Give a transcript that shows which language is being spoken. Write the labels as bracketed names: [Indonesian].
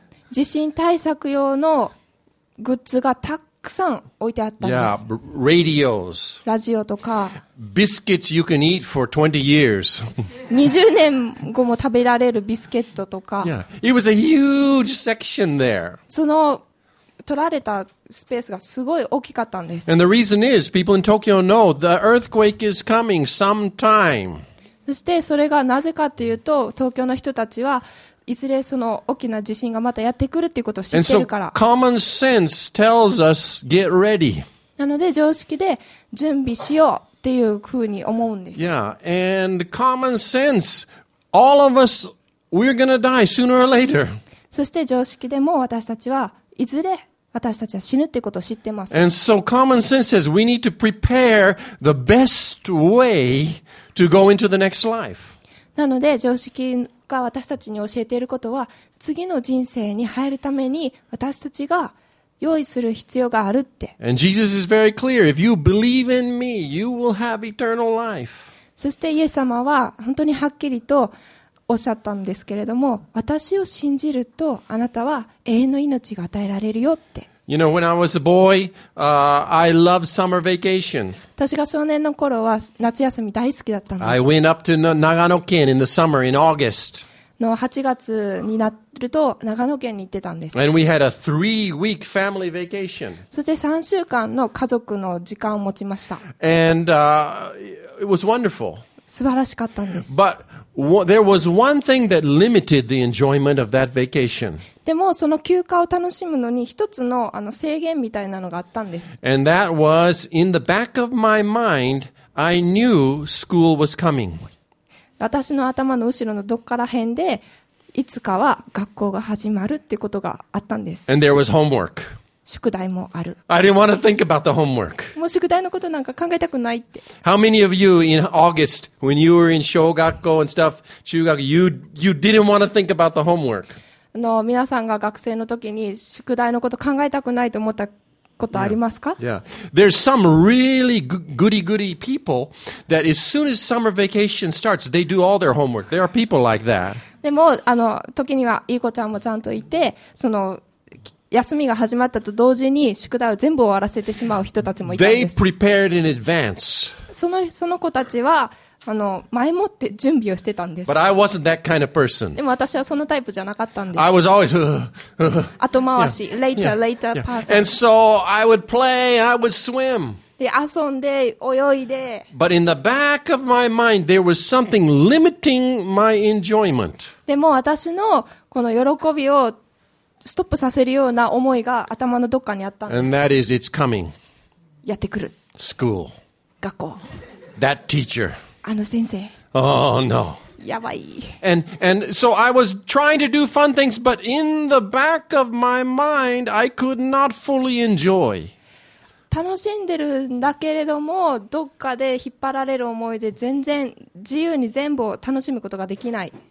[Japanese] 地震対策用のグッズがたくさん置いてあったんです。 [English] Yeah, radios. [Japanese] ラジオとか。 [English] Biscuits you can eat for 20 years. [Japanese] 20年後も食べられるビスケットとか。 [English] Yeah, it was a huge section there. [Japanese] その取られたスペースがすごい大きかったんです。 [English] And the reason is, people in Tokyo know the earthquake is coming sometime. [Japanese] そしてそれがなぜかっていうと、東京の人たちはいずれその大きな地震がまたやってくるっていうことを知ってるから。 [English] And so, common sense tells us, get ready. [Japanese] なので常識で準備しようっていうふうに思うんです。 [English] Yeah, and common sense, all of us, we're gonna die sooner or later. [Japanese] そして常識でも私たちはいずれ私たちは死ぬっていうことを知ってます。 [English] And so common sense says we need to prepare the best way to go into the next life. [Japanese] なので常識が私たちに教えていることは次の人生に入るために私たちが用意する必要があるって。 [English] And Jesus is very clear. If you believe in me, you will have eternal life. [Japanese] そしてイエス様は本当にはっきりとおっしゃったんですけれども、私を信じるとあなたは永遠の命が与えられるよって。 [English] You know, when I was a boy, I loved summer vacation. [Japanese] 私が少年の頃は夏休み大好きだったんです。 [English] I went up to 長野県 in the summer in August. [Japanese] の8月になると長野県に行ってたんです。 [English] And we had a three-week family vacation. [Japanese] そして3週間の家族の時間を持ちました。 [English] And, it was wonderful. [Japanese] 素晴らしかったんです。 [English] But there was one thing that limited the enjoyment of that vacation. [Japanese] でもその休暇を楽しむのに一つの、制限みたいなのがあったんです。 [English] And that was in the back of my mind, I knew school was coming. [Japanese] 私の頭の後ろのどっから辺でいつかは学校が始まるってことがあったんです。 [English] And there was homework. [Japanese] 宿題もある。 [English] I didn't want to think about the homework. [Japanese] もう宿題のことなんか考えたくないって。 [English] How many of you in August, when you were in 小学校 and stuff, 中学、you didn't want to think about the homework? [Japanese] 皆さんが学生の時に宿題のこと考えたくないと思ったことありますか？ [English] Yeah. Yeah. There's some really goody-goody people that as soon as summer vacation starts, they do all their homework. There are people like that. [Japanese] でも時にはいい子ちゃんもちゃんといて、その休みが始まったと同時に宿題を全部終わらせてしまう人たちもいたんです。 [English] They prepared in advance. [Japanese] その子たちは前もって準備をしてたんです。 [English] But I wasn't that kind of person. [Japanese] でも私はそのタイプじゃなかったんです。 [English] I was always [Japanese] 後回し、 [English] yeah. later, yeah. later, yeah. person. And so I would play, I would swim. [Japanese] で、遊んで、泳いで。 [English] But in the back of my mind, there was something limiting my enjoyment. [Japanese] でも私のこの喜びをストップさせるような思いが頭のどっかにあったんです。 [English] And that is, it's coming. [Japanese] やってくる。 [English] School. [Japanese] 学校。 [English] That teacher. [Japanese] あの先生。 [English] Oh no. [Japanese] やばい。 [English] And so I was trying to do fun things, but in the back of my mind, I could not fully enjoy. [Japanese] 楽しんでるんだけれども、どっかで引っ張られる思いで全然自由に全部を楽しむことができない。